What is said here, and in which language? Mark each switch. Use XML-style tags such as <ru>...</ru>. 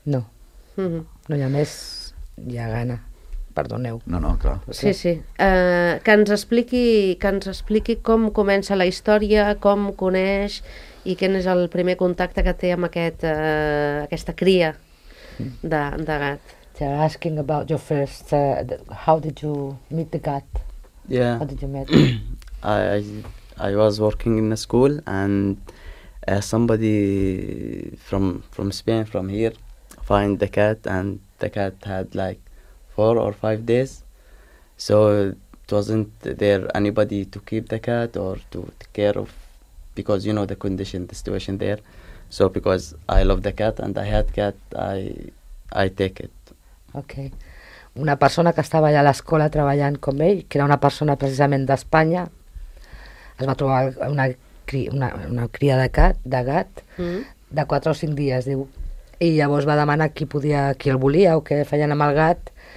<ca>No, no hi ha més, hi ha gana. Perdoneu. No, clar. Sí, sí. Que ens expliqui com comença la història, com coneix i quin és el primer contacte que té amb aquesta cria de gat.</ca> <en>They're asking about your first... how did you meet the gat? Yeah. How did you meet? I was working in a school and somebody from Spain, from here, find the cat and the cat had like 4 or 5 days, so it wasn't there anybody to keep the cat or to take care of, because you know the condition, the situation there. So because I love the cat and I had cat, I take it. Okay.</en> <ca>Una persona que estava allà a l'escola treballant com ell, que era una persona precisament d'Espanya, es va trobar una cria de gat de 4 o 5 dies, diu, i llavors va demanar qui el volia o què feien amb el gat.</ca>